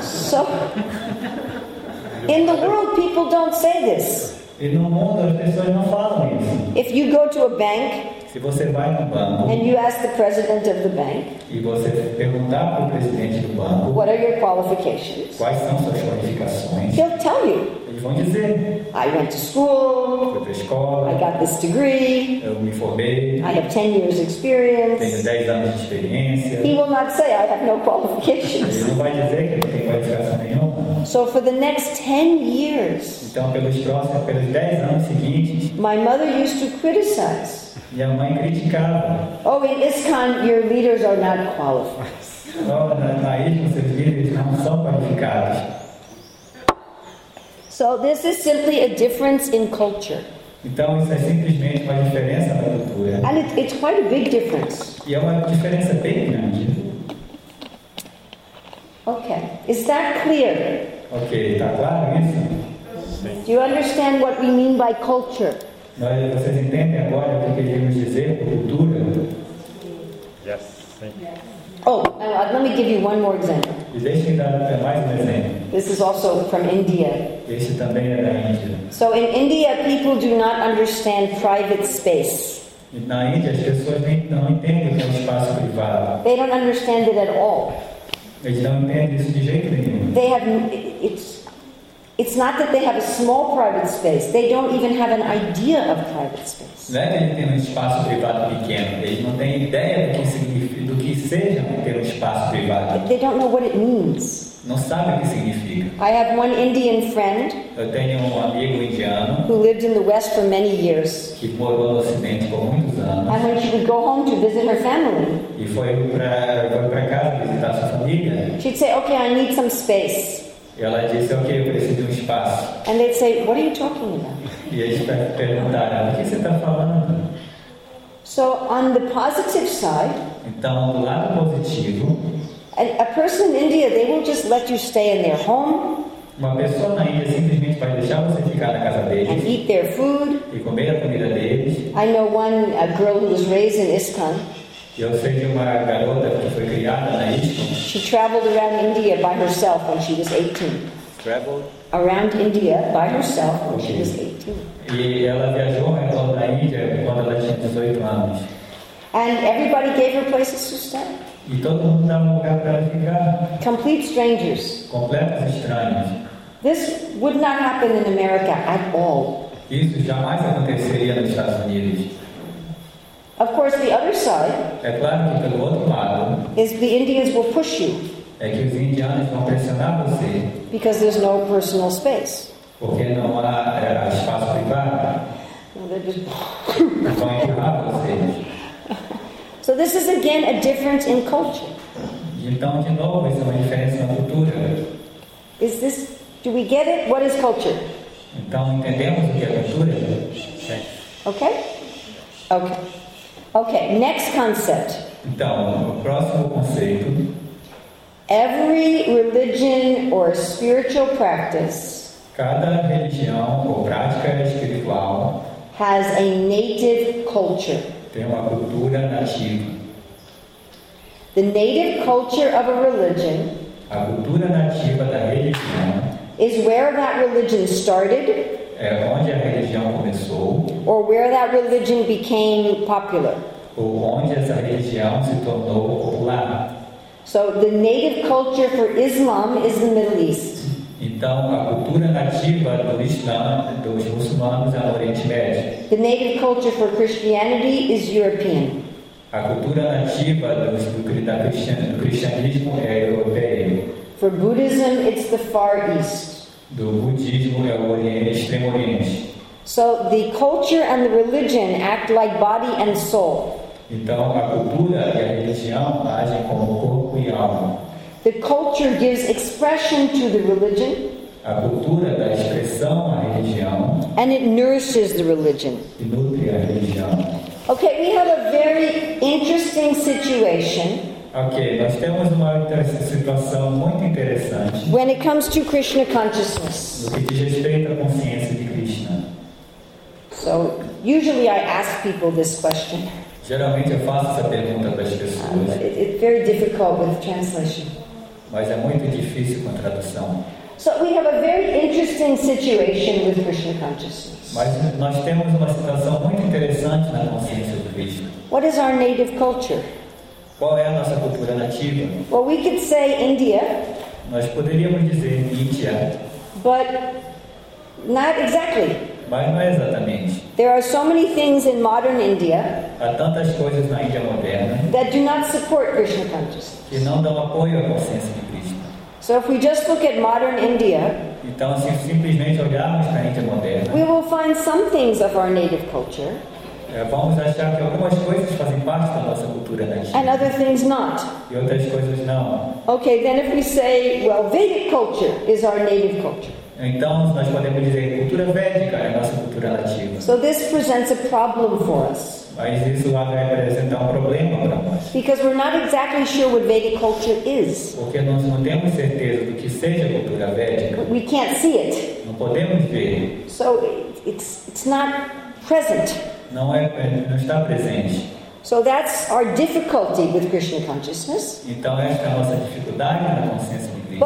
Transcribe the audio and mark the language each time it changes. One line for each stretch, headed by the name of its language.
English: So, in the world, people don't say this.
Portuguese: E no mundo as pessoas não falam isso.
English: If you go to a bank,
Portuguese: se você vai no banco,
English: and you ask the president of the bank,
Portuguese: e você perguntar para o presidente do banco,
English: what are your qualifications?
Portuguese: Quais são suas qualificações?
English: He'll tell you.
Portuguese: Eles vão dizer.
English: I went to school.
Portuguese: Fui para a escola.
English: I got this degree.
Portuguese: Eu me formei.
English: I have 10 years experience.
Portuguese: Tenho 10 anos de experiência.
English: He will not say I have no qualifications.
Portuguese: Ele não vai dizer que não tem qualificação nenhuma.
English: So for the next 10 years,
Portuguese: então, pelos 10 anos seguintes,
English: my mother used to criticize.
Portuguese: Minha mãe criticava.
English: Oh, in ISKCON, your leaders are not qualified.
Portuguese: Oh, na ISKCON, seus líderes não são qualificados.
English: So this is simply a difference in culture.
Portuguese: Então, isso é simplesmente uma diferença na cultura.
English: And it's quite a big difference.
Portuguese: E é uma diferença bem grande.
English: Okay, is that clear?
Portuguese: Okay, tá claro isso?
English: Do you understand what we mean by culture?
Portuguese: Vocês entendem agora o que queremos dizer por cultura?
English: Yes. Oh, let me give you one more example.
Portuguese: Deixa eu dar mais um exemplo.
English: This is also from India.
Portuguese: Esse também é da Índia.
English: So in India, people do not understand private space.
Portuguese: Na Índia, as pessoas não entendem o que é um espaço privado.
English: They don't understand it at all.
Portuguese: Eles não entendem isso de jeito nenhum.
English: They have, it's, It's not that they have a small private space. They don't even have an idea of private space.
Portuguese: Não é que eles têm um espaço privado pequeno. Eles não têm ideia do que seja ter um espaço privado.
English: They don't know what it means.
Portuguese: Não sabem o que significa.
English: I have one Indian friend.
Portuguese: Eu tenho amigo indiano.
English: Who lived in the West for many years.
Portuguese: Que morou no Ocidente por muitos anos.
English: And when she would go home to visit her family.
Portuguese: E foi para casa visitar sua família.
English: She'd say, "Okay, I need some space."
Portuguese: E ela disse, ok, eu preciso de um espaço.
English: And they'd say, what are you talking about?
Portuguese: E eles perguntaram, o que você está falando?
English: So, on the positive side,
Portuguese: então, do lado positivo,
English: a person in India, they will just let you stay in their home.
Portuguese: Uma pessoa na Índia simplesmente vai deixar você ficar na casa deles.
English: And eat their food.
Portuguese: E comer a comida deles.
English: I know one, a girl who was raised in ISKCON.
Portuguese: Eu sei de uma garota que foi criada na ISKCON.
English: She traveled around India by herself when she was 18. Traveled? Around India by herself when she was 18.
Portuguese: E ela viajou ao redor da Índia quando ela tinha 18 anos.
English: And everybody gave her places to stay.
Portuguese: E todo mundo dava um lugar para ela ficar.
English: Complete strangers.
Portuguese: Completos estranhos.
English: This would not happen in America at all.
Portuguese: Isso jamais aconteceria nos Estados Unidos.
English: Of course, the other side
Portuguese: é claro que pelo outro lado,
English: is the Indians will push you
Portuguese: é que os indianos vão pressionar você
English: because there's no personal space.
Portuguese: Porque não há espaço privado.
English: Just...
Portuguese: vão empurrar você.
English: So this is again a difference in culture.
Portuguese: Então, de novo, isso é uma diferença na cultura.
English: Is this, do we get it? What is culture?
Portuguese: Então, entendemos o que é cultura? Sim.
English: Okay? Okay. Okay, next concept.
Portuguese: Então, o próximo conceito.
English: Every religion or spiritual practice.
Portuguese: Cada religião ou prática espiritual
English: has a native culture.
Portuguese: Tem uma cultura nativa.
English: The native culture of a religion.
Portuguese: A cultura nativa da religião
English: is where that religion started.
Portuguese: É onde a religião começou.
English: Or where that religion became popular.
Portuguese: Ou onde essa religião se tornou popular.
English: So the native culture for Islam is the Middle East.
Portuguese: Então a cultura nativa do Islã, dos muçulmanos, é o Oriente Médio.
English: The native culture for Christianity is European.
Portuguese: A cultura nativa do cristianismo é europeia.
English: For Buddhism, it's the Far East.
Portuguese: Do budismo é o Oriente, Extremo Oriente.
English: So the culture and the religion act like body and soul.
Portuguese: Então a cultura e a religião agem como corpo e alma.
English: The culture gives expression to the religion.
Portuguese: A cultura dá expressão à religião.
English: And it nourishes the religion.
Portuguese: E nutre a religião.
English: Okay, we have a very interesting situation.
Portuguese: Okay, nós temos uma situação muito interessante.
English: When it comes to Krishna consciousness.
Portuguese: No que diz respeito à consciência de Krishna.
English: So, usually I ask people this question.
Portuguese: Geralmente eu faço essa pergunta para as pessoas.
English: It's very difficult with translation.
Portuguese: Mas é muito difícil com a tradução.
English: So we have a very interesting situation with Krishna consciousness.
Portuguese: Mas nós temos uma situação muito interessante na consciência do Krishna.
English: What is our native culture?
Portuguese: Qual é a nossa cultura nativa?
English: Well, we could say India.
Portuguese: Nós poderíamos dizer Índia.
English: But not exactly.
Portuguese: Mas não exatamente.
English: There are so many things in modern India.
Portuguese: Há tantas coisas na Índia moderna.
English: That do not support Krishna consciousness.
Portuguese: Que não dão apoio à consciência de Krishna.
English: So if we just look at modern India.
Portuguese: Então, se simplesmente olharmos para a Índia moderna.
English: We will find some things of our native culture.
Portuguese: Vamos achar que algumas coisas fazem parte da nossa cultura nativa.
English: And other things not.
Portuguese: E outras coisas não.
English: Okay, then if we say, well, Vedic culture is our native culture.
Portuguese: Então, nós podemos dizer que a cultura védica é a nossa cultura nativa.
English: So this presents a problem for us.
Portuguese: Mas isso vai representar um problema para nós.
English: Because we're not exactly sure what Vedic culture is.
Portuguese: Porque nós não temos certeza do que seja a cultura védica.
English: But we can't see it.
Portuguese: Não podemos ver.
English: So it's not present.
Portuguese: Não está presente.
English: So that's our difficulty with Krishna consciousness.
Portuguese: Então, essa é a nossa dificuldade na consciência de Krishna.